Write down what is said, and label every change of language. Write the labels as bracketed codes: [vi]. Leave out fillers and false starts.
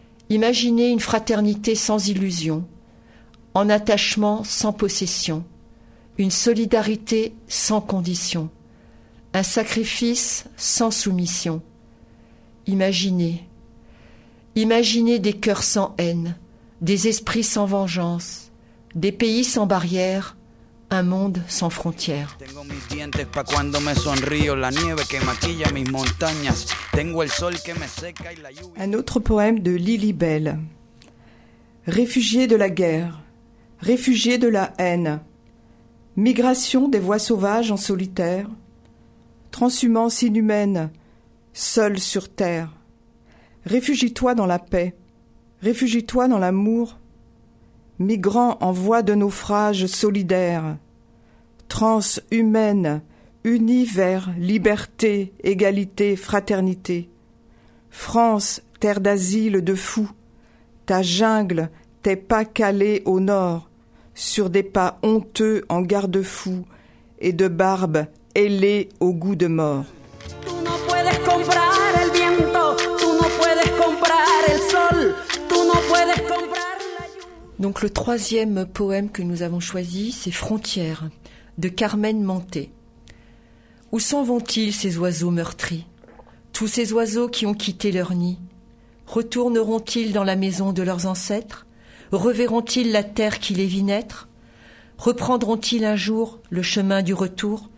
[fr] Imaginez une fraternité sans illusion, un attachement sans possession, une solidarité sans condition, un sacrifice sans soumission. Imaginez. Imaginez des cœurs sans haine, des esprits sans vengeance, des pays sans barrières, un monde sans frontières. [es] Tengo mis dientes pa' cuando me sonrío, la nieve que maquilla mis montañas, tengo el sol que me seca y la lluvia. [fr] Un autre poème de Lily Bell. Réfugié de la guerre, réfugié de la haine, migration des voies sauvages en solitaire, transhumance inhumaine, seule sur terre. Réfugie-toi dans la paix, réfugie-toi dans l'amour, migrant en voie de naufrage solidaire, transhumaine, unie vers liberté, égalité, fraternité. France, terre d'asile de fous, ta jungle, tes pas calés au nord, sur des pas honteux en garde-fous et de barbe ailée au goût de mort. [es] Tu no puedes comprar el viento, tu no puedes comprar el sol, tu no puedes comprar la lluvia. [fr] Donc le troisième poème que nous avons choisi, c'est Frontières, de Carmen Manté. Où s'en vont-ils ces oiseaux meurtris? Tous ces oiseaux qui ont quitté leur nid, retourneront-ils dans la maison de leurs ancêtres? Reverront-ils la terre qui les vit naître? Reprendront-ils un jour le chemin du retour?